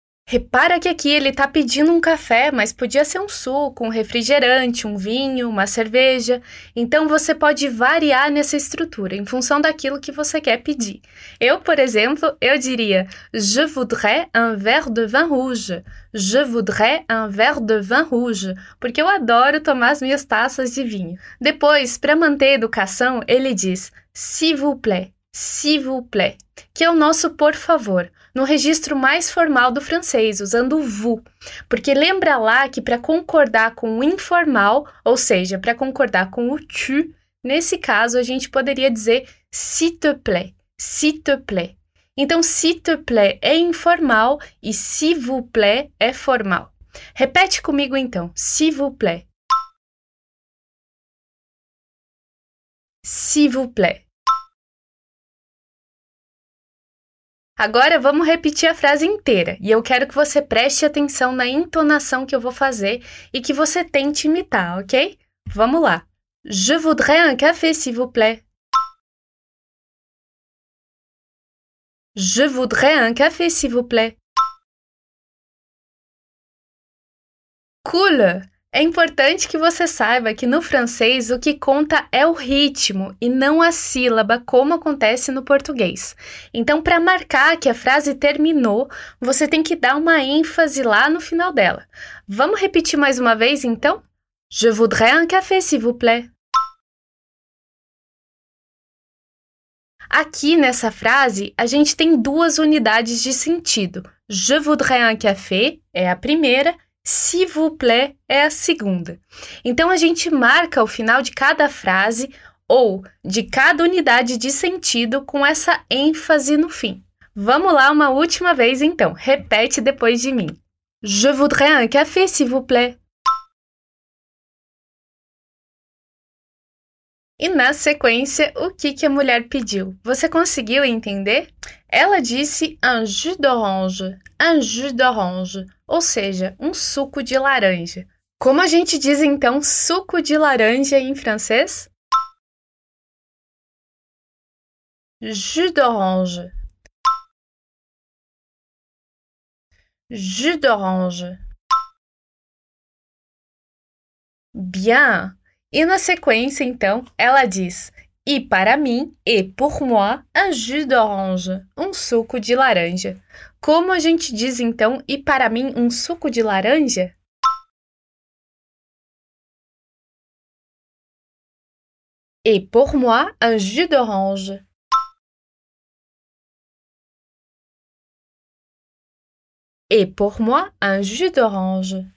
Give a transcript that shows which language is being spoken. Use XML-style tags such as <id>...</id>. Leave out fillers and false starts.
<pt>Repara que aqui ele está pedindo um café, mas podia ser um suco, um refrigerante, um vinho, uma cerveja. Então, você pode variar nessa estrutura em função daquilo que você quer pedir. Eu, por exemplo, eu diria</pt> <fr>Je voudrais un verre de vin rouge. Je voudrais un verre de vin rouge.</fr> <pt>Porque eu adoro tomar as minhas taças de vinho. Depois, para manter a educação, ele diz</pt> <fr>S'il vous plaît, s'il vous plaît,</fr> <pt>que é o nosso por favor. No registro mais formal do francês, usando o vous. Porque lembra lá que para concordar com o informal, ou seja, para concordar com o tu, nesse caso a gente poderia dizer</pt> <fr>s'il te plaît, s'il te plaît.</fr> <pt>Então,</pt> <fr>s'il te plaît</fr> <pt>é informal e</pt> <fr>s'il vous plaît</fr> <pt>é formal. Repete comigo então,</pt> <fr>s'il vous plaît. S'il vous plaît.</fr> <pt>Agora, vamos repetir a frase inteira e eu quero que você preste atenção na entonação que eu vou fazer e que você tente imitar, ok? Vamos lá.</pt> <fr>Je voudrais un café, s'il vous plaît. Je voudrais un café, s'il vous plaît.</fr> <en>Cool!</en> <pt>É importante que você saiba que no francês o que conta é o ritmo e não a sílaba, como acontece no português. Então, para marcar que a frase terminou, você tem que dar uma ênfase lá no final dela. Vamos repetir mais uma vez, então?</pt> <fr>Je voudrais un café, s'il vous plaît.</fr> <pt>Aqui nessa frase, a gente tem duas unidades de sentido.</pt> <fr>Je voudrais un café</fr> <pt>é a primeira.</pt> <fr>S'il vous plaît</fr> <pt>é a segunda. Então, a gente marca o final de cada frase ou de cada unidade de sentido com essa ênfase no fim. Vamos lá uma última vez, então. Repete depois de mim.</pt> <fr>Je voudrais un café, s'il vous plaît.</fr> <pt>E na sequência, o que, que a mulher pediu? Você conseguiu entender? Ela disse</pt> <fr>un jus d'orange,</fr> <pt>ou seja, um suco de laranja. Como a gente diz, então, suco de laranja em francês?</pt> <fr>Jus d'orange. Jus d'orange.</fr> <pt>Bien! E na sequência, então, ela diz... E para mim,</pt> <fr>et pour moi, un jus d'orange,</fr> <pt>um suco de laranja. Como a gente diz, então, e para mim, um suco de laranja?</pt> <fr>Et pour moi, un jus d'orange. Et pour moi, un jus d'orange.</fr>